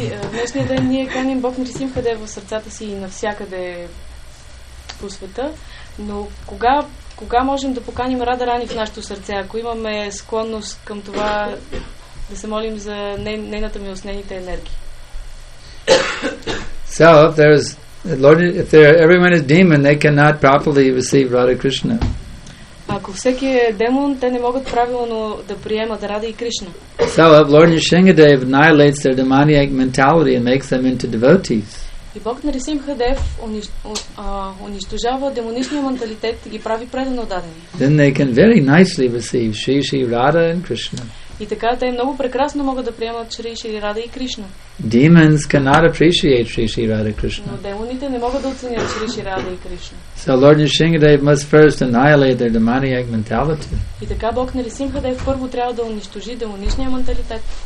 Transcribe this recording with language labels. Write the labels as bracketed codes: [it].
[bg] Днешния ден ние каним Бог Нрисимхадев в сърцата си и навсякъде по света, но кога можем да поканим Радарани в нашето сърце, ако имаме склонност към това да се молим за нейната милостнените енергии? [en] So, if there is Lord, if there everyone is demon, they cannot properly receive Radha Krishna. [bg] Ако всеки е демон, те не могат правилно да приемат Рада и Кришна. [en] So, Lord Nrisimhadev annihilates their demoniac mentality and makes them into devotees. [bg] И Бог Нрисимхадев унищожава демоничния менталитет и ги прави предано дадени. [en] Then they can very nicely receive Shri Shri Radha and Krishna. [bg] И така те много прекрасно могат да приемат Шри Шри Рада и Кришна. [en] Demons cannot appreciate [bg] Шри Шри Рада и Кришна. Но демоните не могат да оценят Шри Шри Рада и Кришна. [en] So Lord Nrisimhadev must first annihilate their demoniac mentality. [bg] И така Бог Нрисимхадев първо трябва да унищожи демоничния менталитет.